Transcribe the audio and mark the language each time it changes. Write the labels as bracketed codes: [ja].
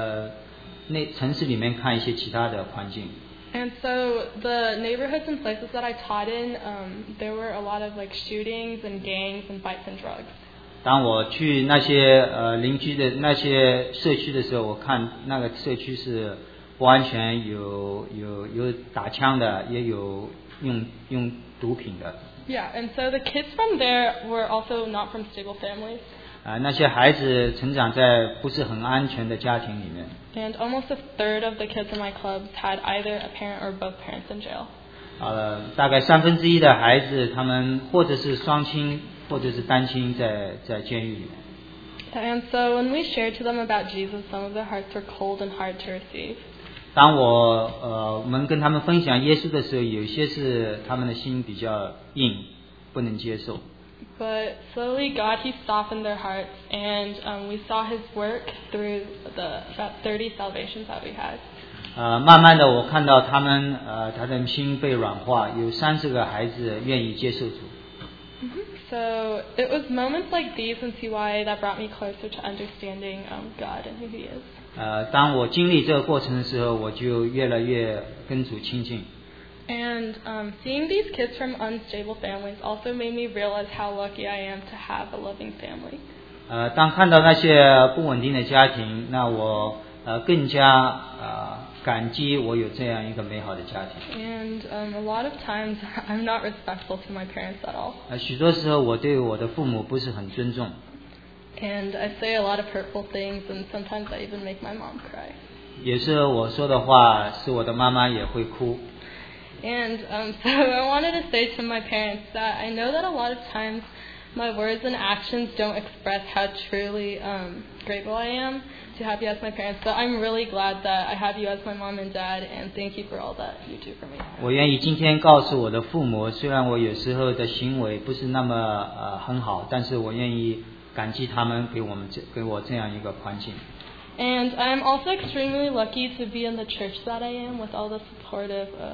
[zh] 很美丽的邻居的地方，去到城市里面看一些其他的环境。 [en] And so the neighborhoods and places that I taught in, there were a lot of like shootings and gangs and fights and drugs. [zh] 当我去那些邻居的那些社区的时候，我看那个社区是不安全，有打枪的，也有用毒品的。 [en] Yeah, and so the kids from there were also not from stable families. [zh] 那些孩子成长在不是很安全的家庭里面。 [en] And almost a third of the kids in my club had either a parent or both parents in jail. [zh] 大概三分之一的孩子，他们或者是双亲，或者是单亲在监狱里面。 [en] And so when we shared to them about Jesus, some of their hearts were cold and hard to receive. [zh] 当我们跟他们分享耶稣的时候，有些是他们的心比较硬，不能接受。 [en] But slowly God, he softened their hearts, and we saw his work through the about 30 salvations that we had. [zh] 慢慢的我看到他们, 他的心被软化, 有30个孩子愿意接受主。 [en] So it was moments like these in CY that brought me closer to understanding God and who he is. [zh] 当我经历这个过程的时候, 我就越来越跟主亲近。 [en] And seeing these kids from unstable families also made me realize how lucky I am to have a loving family. [zh] 当看到那些不稳定的家庭, 那我, 更加, 感激我有这样一个美好的家庭。 [en] And a lot of times I'm not respectful to my parents at all. [zh] 许多时候我对我的父母不是很尊重。 [en] And I say a lot of hurtful things, and sometimes I even make my mom cry. [zh] 有时候我说的话是我的妈妈也会哭。 [en] And so I wanted to say to my parents that I know that a lot of times my words and actions don't express how truly grateful I am to have you as my parents, but I'm really glad that I have you as my mom and dad, and thank you for all that you do for me. [zh] 我愿意今天告诉我的父母, 虽然我有时候的行为不是那么, 很好, 但是我愿意感激他们, 给我们, 给我这样一个环境。 [en] And I'm also extremely lucky to be in the church that I am with all the supportive